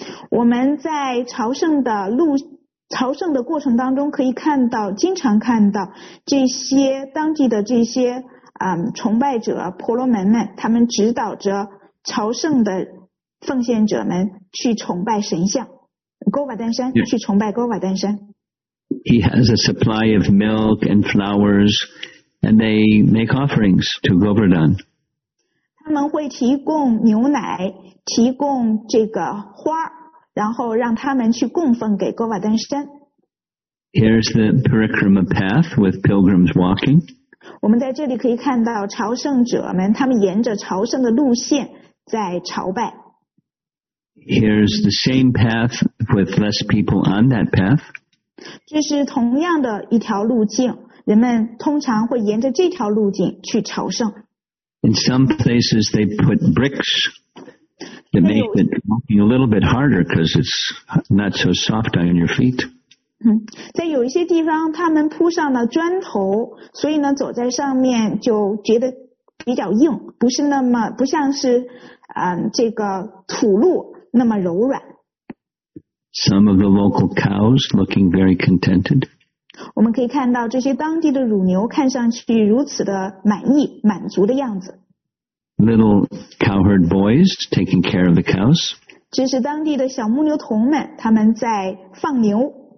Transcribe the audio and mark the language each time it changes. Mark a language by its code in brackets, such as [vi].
[zh] 我们在朝圣的过程当中，可以看到，经常看到这些当地的这些崇拜者婆罗门们，他们指导着朝圣的奉献者们去崇拜神像 Govardhan 山， yeah. 去崇拜 Govardhan 山。 [en] He has a supply of milk and flowers, and they make offerings to Govardhan. [zh] 他们会提供牛奶，提供这个花。然后让他们去供奉给 Govardhan 山。 [en] Here's the parikrama path with pilgrims walking. [zh] 我们在这里可以看到朝圣者们，他们沿着朝圣的路线在朝拜。 [en] Here's the same path with less people on that path. [zh] 这是同样的一条路径，人们通常会沿着这条路径去朝圣。 [en] In some places they put bricks. It makes it walking a little bit harder because it's not so soft on your feet. [zh] 在有一些地方他们铺上了砖头，所以呢走在上面就觉得比较硬，不是那么不像是这个土路那么柔软。 [en] Some of the local cows looking very contented. [zh] 我们可以看到这些当地的乳牛看上去如此的满意，满足的样子。 [en] Little cowherd boys taking care of the cows. [zh] 这是当地的小牧牛童们，他们在放牛。